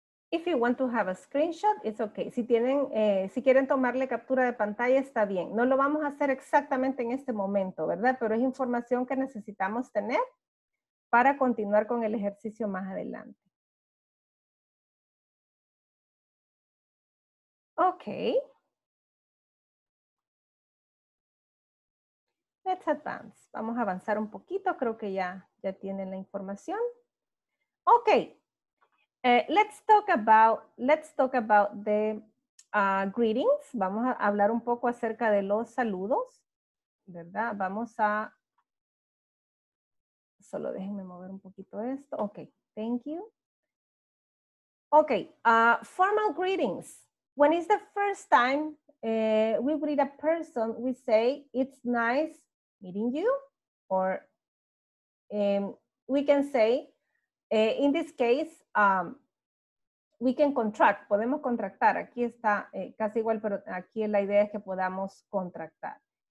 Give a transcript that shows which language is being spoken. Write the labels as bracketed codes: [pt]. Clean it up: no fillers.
[en] If you want to have a screenshot, it's okay. [es] Si tienen, si quieren tomarle captura de pantalla, está bien. No lo vamos a hacer exactamente en este momento, ¿verdad? Pero es información que necesitamos tener para continuar con el ejercicio más adelante. [en] Ok. Let's advance. [es] Vamos a avanzar un poquito. Creo que ya tienen la información. Ok. [en] Let's talk about the greetings. [es] Vamos a hablar un poco acerca de los saludos. ¿Verdad? Vamos a... Solo déjenme mover un poquito esto. [en] Ok, thank you. Ok, formal greetings. When it's the first time we greet a person, we say, it's nice meeting you. Or we can say, in this case, we can contract. [es] Podemos contractar. Aquí está casi igual, pero aquí la idea es que podamos contractar.